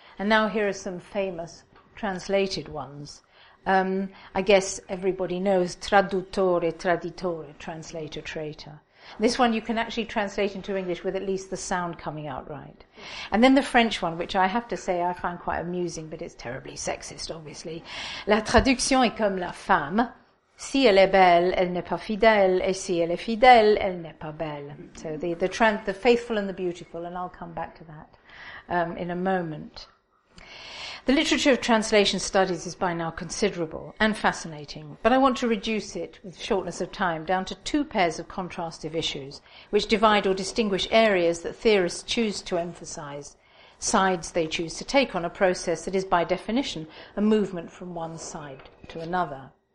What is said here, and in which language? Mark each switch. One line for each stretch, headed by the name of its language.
English: And now here are some famous translated ones. I guess everybody knows
Italian: traduttore, traditore,
English: translator, traitor. This one you can actually translate into English with at least the sound coming out right. And then the French one, which I have to say I find quite amusing, but it's terribly sexist, obviously.
French: La traduction est comme la femme. Si elle est belle, elle n'est pas fidèle, et si elle est fidèle, elle n'est pas belle.
English: So the faithful and the beautiful, and I'll come back to that in a moment. The literature of translation studies is by now considerable and fascinating, but I want to reduce it, with shortness of time, down to two pairs of contrastive issues, which divide or distinguish areas that theorists choose to emphasize, sides they choose to take on a process that is, by definition, a movement from one side to another.